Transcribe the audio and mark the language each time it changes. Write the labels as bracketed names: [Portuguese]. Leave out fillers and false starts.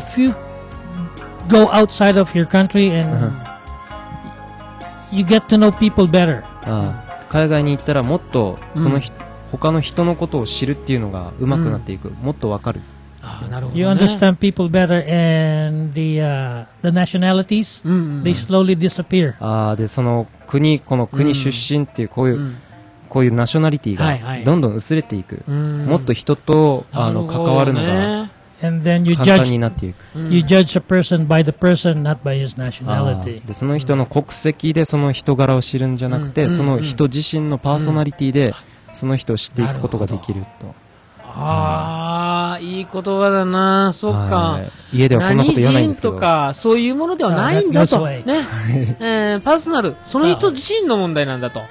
[English] If you go outside of your country and you get to know people better. [Japanese] ああ、海外に行ったらもっとその、うん、他の人のことを知るっていうのが上手くなっていく、うん、もっとわかる。 [English] ね、you understand people better and the nationalities、うんうんうん、they slowly disappear. [Japanese] あでその国この国出身っていうこういう、うん、こういうナショナリティがどんどん薄れていく、はいはい、もっと人と、うん、あの関わるのが簡単になっていく。 [English] And then you judge a person by the person, not by his nationality. [Japanese] でその人の国籍でその人柄を知るんじゃなくて、うん、その人自身のパーソナリティで、うん、その人を知っていくことができると。ああ、いい言葉だな。そっか、はい。家ではこんなこと言わないんですけど。何人とか、そういうものではないんだと。ね、パーソナル、その人自身の問題なんだと。